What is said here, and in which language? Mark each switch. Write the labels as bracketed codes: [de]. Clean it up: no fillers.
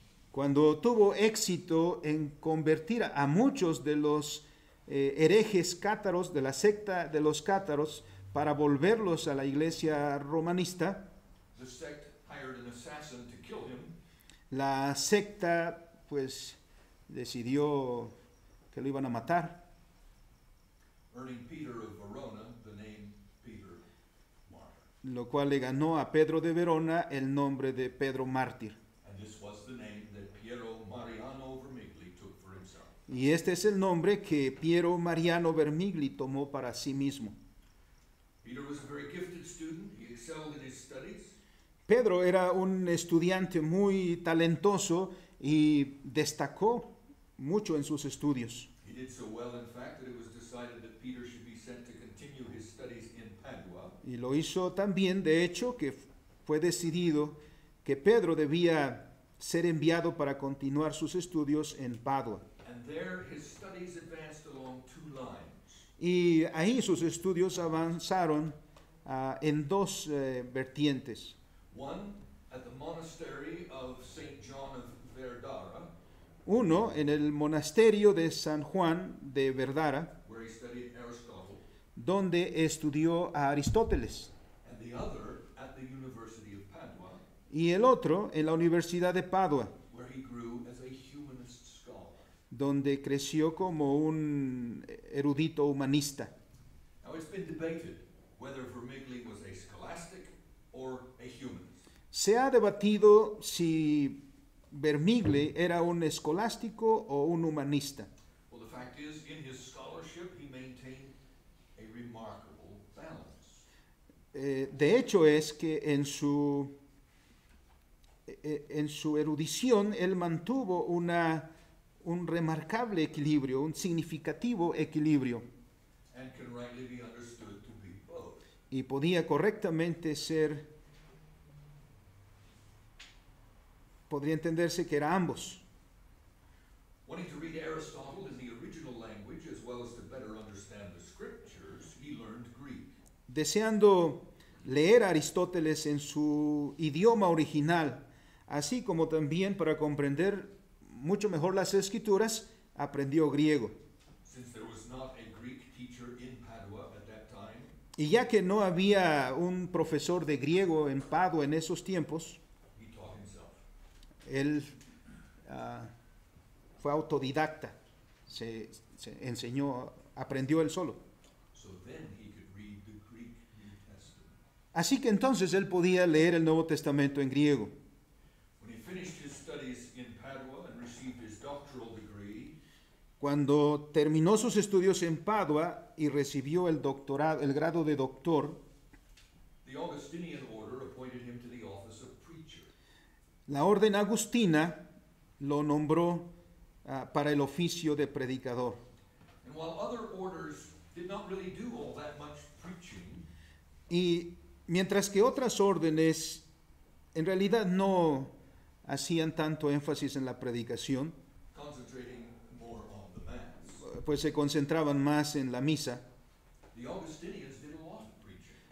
[es] Cuando tuvo éxito en convertir a muchos de los herejes cátaros de la secta de los cátaros para volverlos a la iglesia romanista, [en] the sect hired an assassin to kill him. [es] La secta, pues, decidió que lo iban a matar. [en] Earning Peter of Verona the name Peter Martyr. [es] Lo cual le ganó a Pedro de Verona el nombre de Pedro Mártir. [en] And this was the name that Piero Mariano Vermigli took for himself. [es] Y este es el nombre que Piero Mariano Vermigli tomó para sí mismo. [en] Peter was a very gifted student. He excelled in his studies. [es] Pedro era un estudiante muy talentoso y destacó mucho en sus estudios. [en] He did so well, in fact, that it was decided that Peter should be sent to continue his studies in Padua. [es] Y lo hizo también, de hecho, que fue decidido que Pedro debía ser enviado para continuar sus estudios en Padua. [en] And there his studies advanced along two lines. [es] Y ahí sus estudios avanzaron en dos vertientes. [en] One, at the monastery of St. John of Verdara. [es] Uno, en el monasterio de San Juan de Verdara, [en] where he studied Aristotle, [es] donde estudió a Aristóteles. [en] And the other, at the University of Padua, [es] y el otro, en la Universidad de Padua, [en] where he grew as a humanist scholar, [es] donde creció como un erudito humanista. [en] Now it's been debated whether Vermigli was a scholastic or a humanist. [es] Se ha debatido si Vermigli era un escolástico o un humanista. [en] Well, the fact is, in his scholarship, he maintained a remarkable balance. [es] De hecho es que en su erudición él mantuvo un remarcable equilibrio, un significativo equilibrio. [en] And can rightly be understood to be both. [es] Y podía correctamente ser, podría entenderse que era ambos. [en] Wanting to read Aristotle in the original language as well as to better understand the scriptures, he learned Greek. [es] Deseando leer a Aristóteles en su idioma original, así como también para comprender mucho mejor las escrituras, aprendió griego. [en] Since there was not a Greek teacher in Padua at that time, [es] y ya que no había un profesor de griego en Padua en esos tiempos, [en] he taught himself. [es] Él fue autodidacta, se enseñó, aprendió él solo. [en] So then he could read the Greek New Testament. [es] Así que entonces él podía leer el Nuevo Testamento en griego. [en] When he finished his studies in Padua and received his doctoral degree, [es] cuando terminó sus estudios en Padua y recibió el doctorado, el grado de doctor, [en] the Augustinian order appointed him to the office of preacher. [es] La orden agustina lo nombró para el oficio de predicador. [en] And while other orders did not really do all that much preaching, [es] y mientras que otras órdenes en realidad no hacían tanto énfasis en la predicación, [en] concentrating more on the mass, [es] pues se concentraban más en la misa, [en] the Augustinians did a lot of preaching.